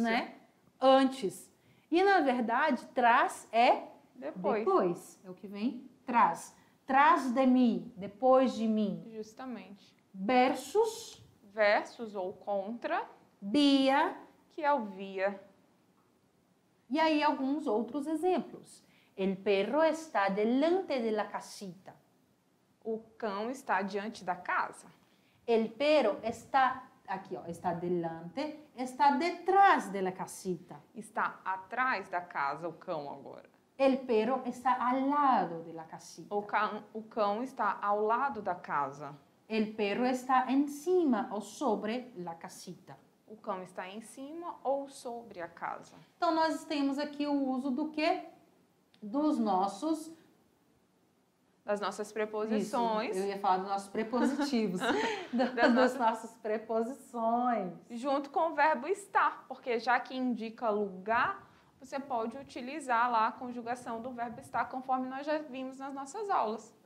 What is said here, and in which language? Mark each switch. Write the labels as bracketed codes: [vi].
[pt] Né? Antes. E, na verdade, trás é depois. Depois. É o que vem trás. Trás de mim, depois de mim. Justamente. Versus. Versus ou contra. Via. Que é o via. E aí, alguns outros exemplos. [es] El perro está delante de la casita. [pt] O cão está diante da casa. [es] El perro está... [pt] Aqui, ó, [es] está delante, está detrás de la casita. [pt] Está atrás da casa, o cão agora. [es] El perro está al lado de la casita. [pt] O cão está ao lado da casa. [es] El perro está encima o sobre la casita. [pt] O cão está em cima ou sobre a casa. Então, nós temos aqui o uso do quê? Dos nossos... Das nossas preposições. Isso, eu ia falar dos nossos prepositivos. dos nossos preposições. Junto com o verbo estar, porque já que indica lugar, você pode utilizar lá a conjugação do verbo estar, conforme nós já vimos nas nossas aulas.